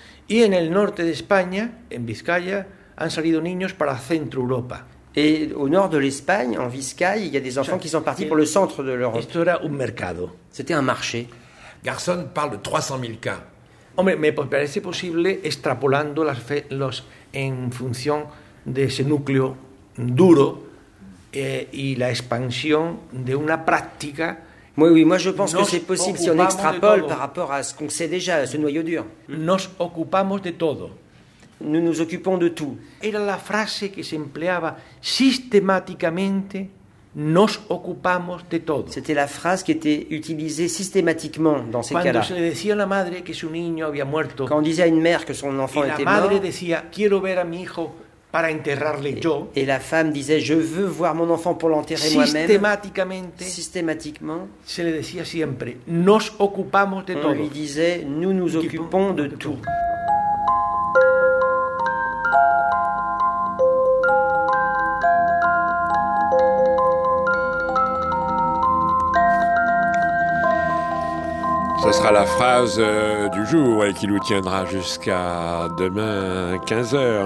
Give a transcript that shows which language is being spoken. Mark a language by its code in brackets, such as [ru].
[es] Et en el norte de España, en Vizcaya, han salido niños para Centro Europa. [fr] Et au nord de l'Espagne, en Vizcaya, il y a des enfants qui sont partis pour le centre de l'Europe. [es] Esto era un mercado. [fr] C'était un marché. Garçon parle de 300 000 cas. [es] Hombre, me parece posible extrapolando las los en función de ese núcleo duro y la expansión de una práctica. [fr] Oui, oui, moi je pense que c'est possible si on extrapole par rapport à ce qu'on sait déjà, ce noyau dur. [es] Nos ocupamos de todo. [fr] Nous nous occupons de tout. [es] Era la frase que se empleaba sistemáticamente. Nos ocupamos de todo. [fr] C'était la phrase qui était utilisée systématiquement dans ces [es] Cuando [fr] cas-là. [es] Se le decía a la madre que su niño había muerto, [fr] quand on disait à une mère que son enfant était mort. [es] La madre decía, quiero ver a mi hijo para enterrarle yo. [fr] Et la femme disait, je veux voir mon enfant pour l'enterrer moi-même. [es] Systématicamente. [fr] Systématiquement. [es] Se le decía siempre, nos ocupamos de [fr] on [es] todo. [fr] On lui disait, nous nous occupons de tout. Ce sera la phrase du jour et qui nous tiendra jusqu'à demain 15h.